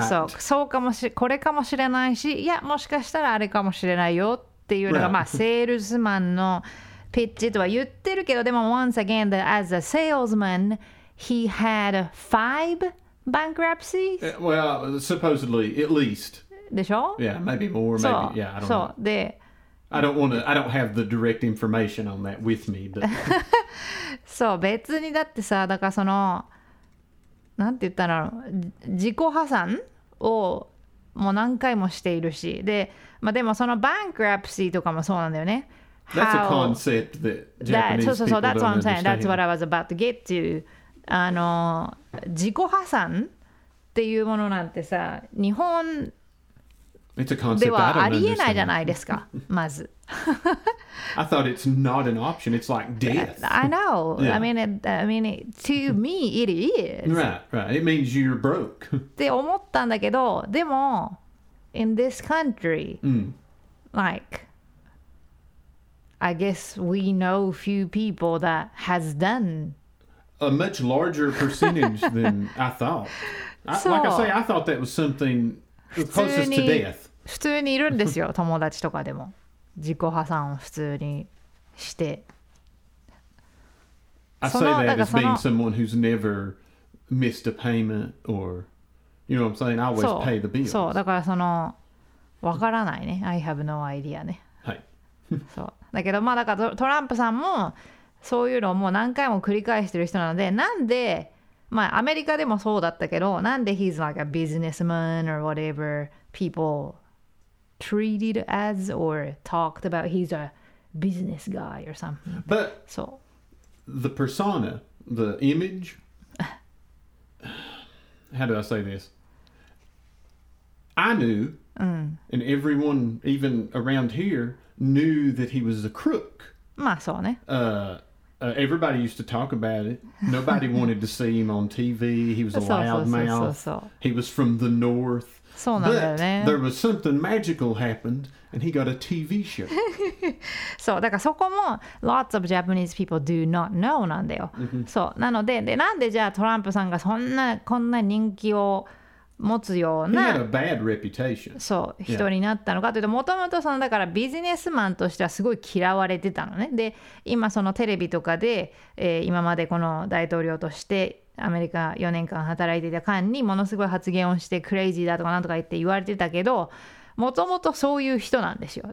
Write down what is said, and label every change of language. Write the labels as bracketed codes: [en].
[ja] そうそう。そうかもし、これかもしれないし、いや、もしかしたらあれかもしれないよっていうのが、right. まあセールスマンの、ピッチとは言ってるけど、でも [en] once again, as a salesman, he had five bankruptcies? Well, supposedly, at least. [ja] でしょ? [en] Yeah, maybe more, maybe, yeah, I don't [ja] そう [en] know. [ja] で、 [en] I don't have the direct information on that with me, but... [ja] そう、別にだってさ、だからその、なんて言ったら、自己破産をもう何回もしているし、で、まあ、でもその bankruptcy とかもそうなんだよね。 [en] How, that's a concept that Japanese people don't understand. That's what I was about to get to. [ja] あの、自己破産っていうものなんてさ、日本ではありえないじゃないですか、まず。 [en] I thought it's not an option. It's like death. I know. Yeah. I mean, to me, it is. Right, right. It means you're broke. [ja] って思ったんだけど、でも、 [en] in this country,、 mm. like... I guess we know few people that has done. A much larger percentage than I thought. Like I say, I thought that was something closest to death. [ja] 普通にいるんですよ、友達とかでも。自己破産を普通にして。 [en] I say that as being someone who's never missed a payment or, you know what I'm saying, I always pay the bills. [ja] そう、だからその、わからないね。 [en] I have no idea ね。 [ja] はい。そう。だけどまあだからトランプさんもそういうのをもう何回も繰り返してる人なのでなんでまあアメリカでもそうだったけどなんで [en] he's like a businessman or whatever people treated as or talked about he's a business guy or something but so the persona the image how do I say this I knew, and everyone even around here knew that he was a crook. [ja] まあそうね。 [en] Everybody used to talk about it. Nobody wanted to see him on TV. He was a loudmouth. He was from the north. [ja] そうなんだよね。 [en] But there was something magical happened, and he got a TV show. [ja] そう、だからそこも [en] lots of Japanese people do not know [ja] なんだよ。 [en] Mm-hmm. [ja] そう、なので、で、なんでじゃあトランプさんがそんな、こんな人気を持つような、 [en] He had a bad reputation. [ja] そう、人になったのかというと、もともとその、だからビジネスマンとしてはすごい嫌われてたのね。で、今そのテレビとかで、今までこの大統領として、アメリカ4年間働いていた間にものすごい発言をしてクレイジーだとかなんとか言って言われてたけど、もともとそういう人なんですよ。